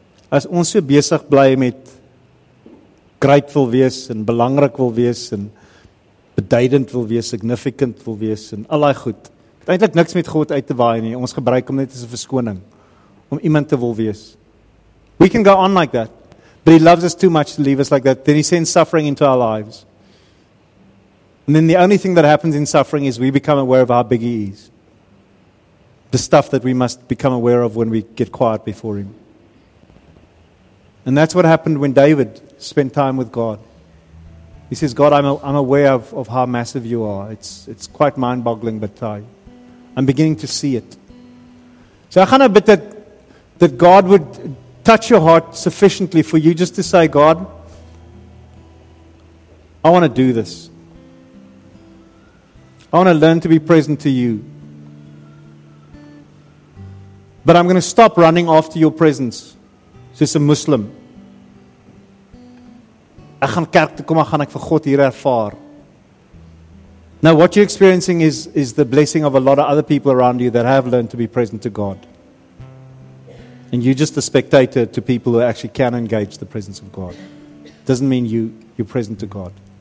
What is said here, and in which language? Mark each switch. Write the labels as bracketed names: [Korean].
[Afrikaans] As ons so besig bly met grateful wees en belangrik wil wees en beduidend wil wees, significant wil wees en al daai goed, het eintlik niks met God uit te waai nie. Ons gebruik hom net as 'n verskoning om iemand te wil wees. [English] We can go on like that, but he loves us too much to leave us like that. Then he sends suffering into our lives. And then the only thing that happens in suffering is we become aware of how big he is. The stuff that we must become aware of when we get quiet before him. And that's what happened when David spent time with God. He says, God, I'm aware of how massive you are. It's quite mind-boggling, but I'm beginning to see it. So I'm going to bid that God would touch your heart sufficiently for you just to say, God, I want to do this. I want to learn to be present to you. But I'm going to stop running after your presence. [Afrikaans] Soos 'n Muslim. Ek gaan kerk toe kom, ek gaan ek vir God hier ervaar. [English] Now what you're experiencing is the blessing of a lot of other people around you that have learned to be present to God. And you're just a spectator to people who actually can engage the presence of God. Doesn't mean you're present to God.